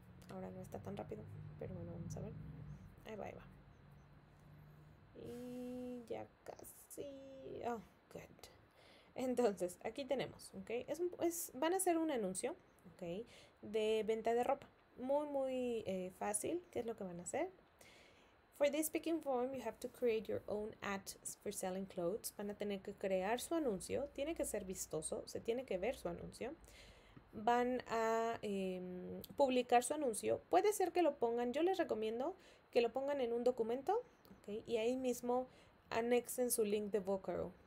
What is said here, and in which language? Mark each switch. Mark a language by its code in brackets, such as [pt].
[es] Ahora no está tan rápido, pero bueno, vamos a ver. Ahí va, ahí va. Y ya casi. [en] Oh, good. [es] Entonces, aquí tenemos. Okay. Van a hacer un anuncio, okay, de venta de ropa. Muy, muy fácil. ¿Qué es lo que van a hacer? [en] For this speaking form, you have to create your own ad for selling clothes. [es] Van a tener que crear su anuncio. Tiene que ser vistoso. Se tiene que ver su anuncio. Van a publicar su anuncio. Puede ser que lo pongan. Yo les recomiendo que lo pongan en un documento. Okay, y ahí mismo anexen su link de Vocaro.